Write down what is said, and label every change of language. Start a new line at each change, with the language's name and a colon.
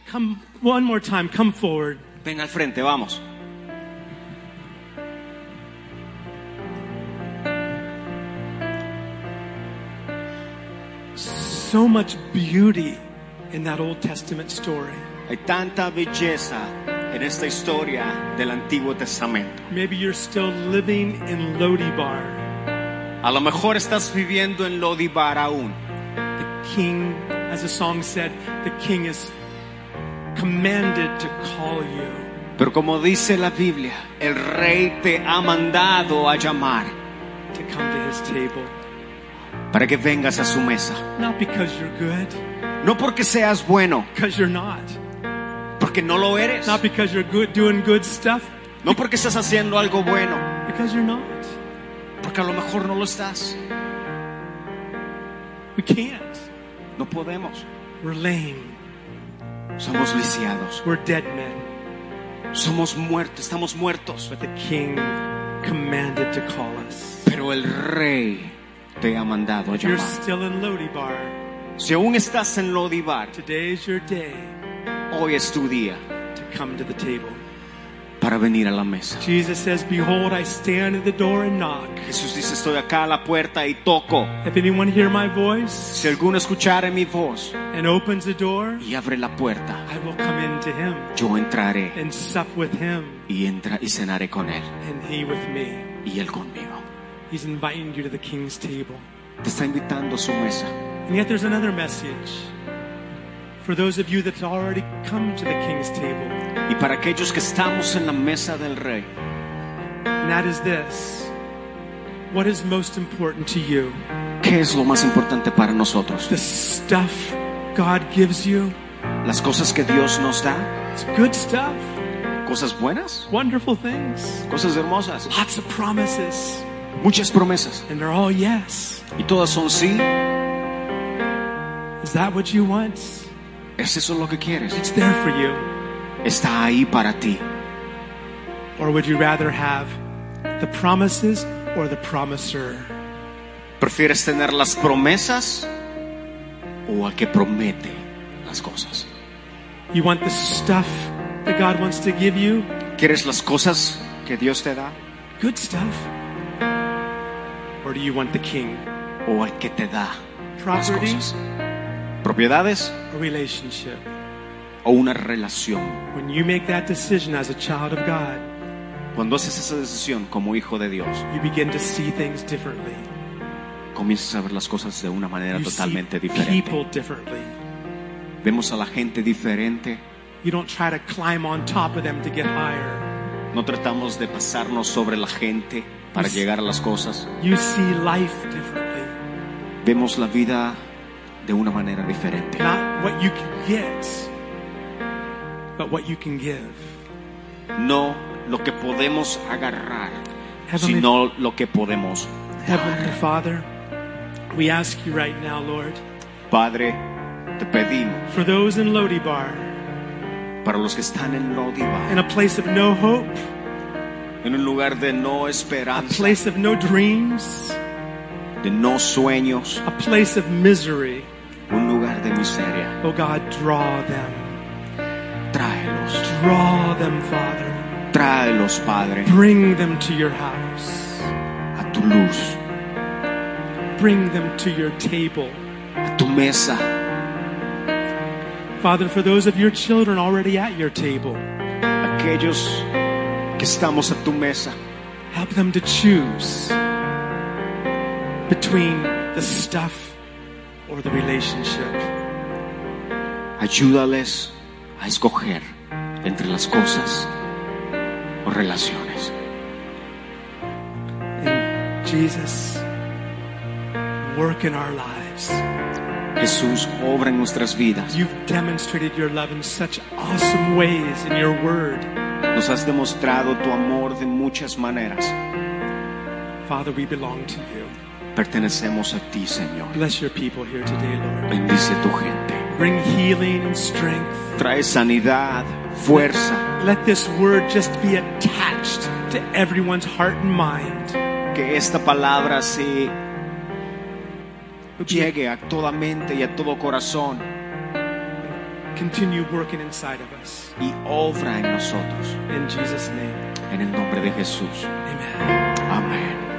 English: Come one more time. Come forward.
Spanish: Ven al frente, vamos.
English: So much beauty in that Old Testament story.
Spanish: Hay tanta belleza en esta historia del Antiguo Testamento.
English: Maybe you're still living in Lodibar.
Spanish: A lo mejor estás viviendo en Lodibar aún.
English: The king, as the song said, the king is commanded to call you.
Spanish: Pero como dice la Biblia, el rey te ha mandado a llamar.
English: To come to his table.
Spanish: Para que vengas a su mesa.
English: Not because you're good.
Spanish: No porque seas bueno.
English: Because you're not.
Spanish: Porque no lo eres.
English: Not because you're good, doing good stuff.
Spanish: No porque estás haciendo algo bueno.
English: Because you're not.
Spanish: Porque a lo mejor no lo estás.
English: We can't.
Spanish: No podemos.
English: We're lame.
Spanish: Somos lisiados.
English: We're dead men.
Spanish: Somos muertos. Estamos muertos.
English: But the king commanded to call us.
Spanish: Pero el rey te ha mandado a llamar.
English: You're still in Lodibar.
Spanish: Si aún estás en Lodibar.
English: Today is your day.
Spanish: Hoy es tu día.
English: To come to the table.
Spanish: Para venir a la mesa.
English: Jesus says, "Behold, I stand at the door and knock."
Spanish: Jesús dice, estoy acá a la puerta y toco.
English: If anyone hear my voice,
Spanish: si alguno escuchare mi voz,
English: and opens the door,
Spanish: y abre la puerta,
English: I will come in to him.
Spanish: Yo entraré.
English: And sup with him.
Spanish: Y entra y cenaré con él.
English: And he with me.
Spanish: Y él conmigo.
English: He's inviting you to the king's table.
Spanish: Te está invitando a su mesa.
English: And yet there's another message for those of you that have already come to the king's table.
Spanish: Y para aquellos que estamos en la mesa del rey.
English: And that is this. What is most important to you?
Spanish: ¿Qué es lo más importante para nosotros?
English: The stuff God gives you.
Spanish: Las cosas que Dios nos da.
English: It's good stuff.
Spanish: Cosas buenas.
English: Wonderful things.
Spanish: Cosas hermosas.
English: Lots of promises.
Spanish: Muchas promesas.
English: And they're all yes.
Spanish: Y todas son sí.
English: Is that what you want?
Spanish: ¿Es eso lo que quieres?
English: It's there for you.
Spanish: Está ahí para ti.
English: Or would you rather have the promises or the promiser?
Spanish: ¿Prefieres tener las promesas o al que promete las cosas?
English: You want the stuff that God wants to give you?
Spanish: ¿Quieres las cosas que Dios te da?
English: Good stuff. Or do you want the king?
Spanish: ¿O al que te da
English: property?
Spanish: Las cosas. ¿Propiedades?
English: A relationship.
Spanish: ¿O una relación?
English: When you make that decision as a child of God,
Spanish: cuando haces esa decisión como hijo de Dios,
English: you begin to see things differently.
Spanish: Comienzas a ver las cosas de una manera
English: you
Spanish: totalmente diferente.
English: See people differently.
Spanish: Vemos a la gente diferente.
English: You don't try to climb on top of them to get higher.
Spanish: No tratamos de pasarnos sobre la gente para llegar a las cosas.
English: You see life differently.
Spanish: Vemos la vida de una manera diferente.
English: Not what you can get, but what you can give.
Spanish: No lo que podemos agarrar, sino lo que podemos dar.
English: Heavenly Father, we ask you right now, Lord.
Spanish: Padre, te pedimos.
English: For those in Lodibar.
Spanish: Para los que están en Lodibar.
English: In a place of no hope.
Spanish: En un lugar de no esperanza.
English: A place of no dreams.
Spanish: De no sueños.
English: A place of misery.
Spanish: Un lugar de miseria.
English: Oh God, draw them.
Spanish: Tráelos.
English: Draw them, Father.
Spanish: Tráelos, Padre.
English: Bring them to your house.
Spanish: A tu luz.
English: Bring them to your table.
Spanish: A tu mesa.
English: Father, for those of your children already at your table,
Spanish: aquellos que estamos a tu mesa,
English: help them to choose between the stuff or the relationship.
Spanish: Ayúdales a escoger entre las cosas o relaciones.
English: And Jesus, work in our lives.
Spanish: Jesús, obra en nuestras vidas.
English: You've demonstrated your love in such awesome ways in your word.
Spanish: Nos has demostrado tu amor de muchas maneras.
English: Father, we belong to you.
Spanish: Pertenecemos a ti, Señor.
English: Bless your people here today, Lord.
Spanish: Bendice a tu gente.
English: Bring healing and strength.
Spanish: Trae sanidad, fuerza.
English: Let this word just be attached to everyone's heart and mind.
Spanish: Que esta palabra se llegue a toda mente y a todo corazón.
English: Continue working inside of us.
Spanish: Y obra en nosotros.
English: In Jesus' name.
Spanish: En el nombre de Jesús.
English: Amen.
Spanish: Amen.